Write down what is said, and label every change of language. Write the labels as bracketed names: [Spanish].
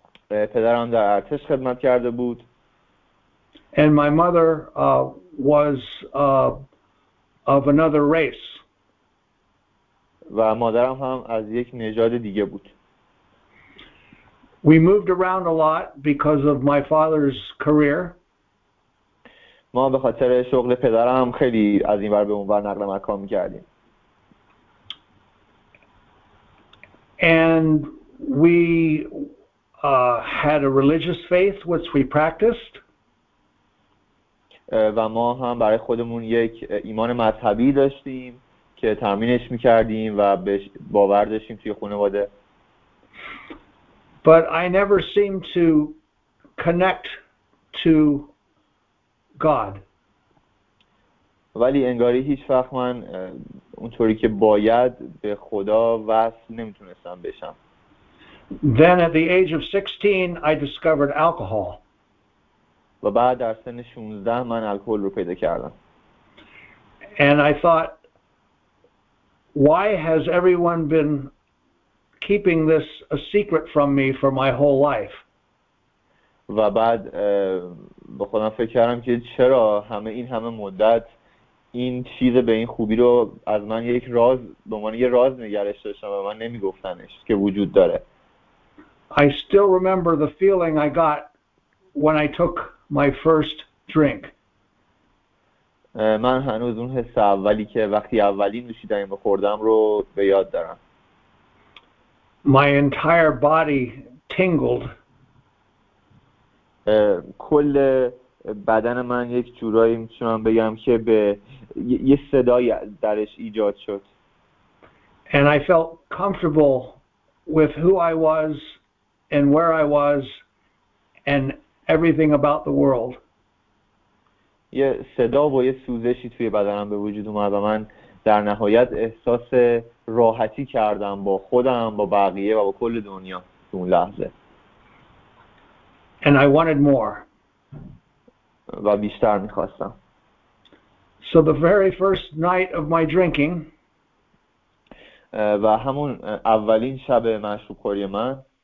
[Persian] پدرم در ارتش خدمت کرده بود. [English] And my mother was of another race. [Persian] و مادرم هم از یک نژاد دیگه بود. [English] We moved around a lot because of my father's career. [Persian] ما به خاطر شغل پدرم خیلی از این ور به اون ور نقل مکان می‌کردیم. [English] And we had a religious faith which we practiced. [Persian] و ما هم برای خودمون یک ایمان مذهبی داشتیم که تمرینش می‌کردیم و باور داشتیم توی خانواده. [English] But I never seemed to connect to God. [Persian] ولی انگاری هیچ وقت من اونطوری که باید به خدا وصل نمیتونستم بشم. [English] Then at the age of 16 I discovered alcohol. [Persian] و بعد در سن 16 من الکل رو پیدا کردم. [English] And I thought, why has everyone been keeping this a secret from me for my whole life? [Persian] و بعد به خودم فکر کردم که چرا همه این همه مدت این چیز به این خوبی رو از من یک راز به من یه راز نگرش داشتم و من نمیگفتنش که وجود داره. [English] I still remember the feeling I got when I took my first drink. [Persian] من هنوز اون حس اولی که وقتی اولین نوشیدنی خوردم رو به یاد دارم. [English] My entire body tingled. [Persian] کل بدن من یک جورایی میتونم بگم که به یه صدای درش ایجاد شد. [English] And I felt comfortable with who I was and where I was and everything about the world. [Persian] یه صدا و یه سوزشی توی بدنم به وجود اومد و من در نهایت احساس راحتی کردم با خودم، با بقیه و با کل دنیا اون لحظه. [English] And I wanted more. [Persian] و بیشتر می‌خواستم. [English] So the very first night of my drinking, [Persian] و همون اولین شب مشروب‌خوری من,